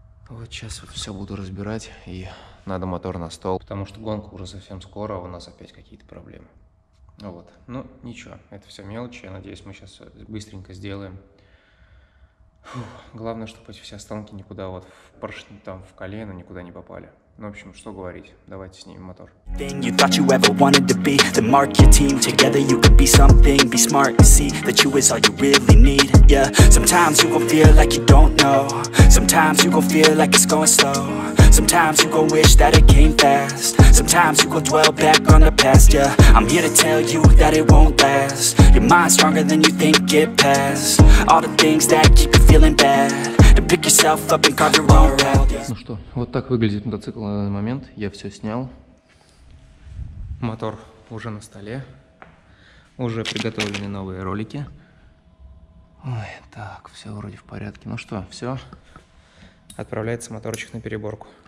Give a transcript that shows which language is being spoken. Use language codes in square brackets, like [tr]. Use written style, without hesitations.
[ru] Вот сейчас вот все буду разбирать, и надо мотор на стол, потому что гонка уже совсем скоро, а у нас опять какие-то проблемы. Вот, ну ничего, это все мелочи, я надеюсь, мы сейчас все быстренько сделаем. Фух, главное, чтобы эти все останки никуда вот в поршни, там в колено никуда не попали. Ну, в общем, что говорить, давайте снимем мотор. [en] Thing you thought you ever wanted to be, then mark your team. Together you could be something, be smart and see that you is all you really need. Yeah, sometimes you gon' feel like you don't know. Sometimes you gon' feel like it's going slow. Sometimes you gon' wish that it came fast. Sometimes you gon' dwell back on the past. Yeah, I'm here to tell you that it won't last. Your mind's stronger than you think it passed. All the things that keep you feeling bad. [ru] Ну что, вот так выглядит мотоцикл на данный момент. Я все снял. Мотор уже на столе. Уже приготовлены новые ролики. Ой, так, все вроде в порядке. Ну что, все. Отправляется моторчик на переборку.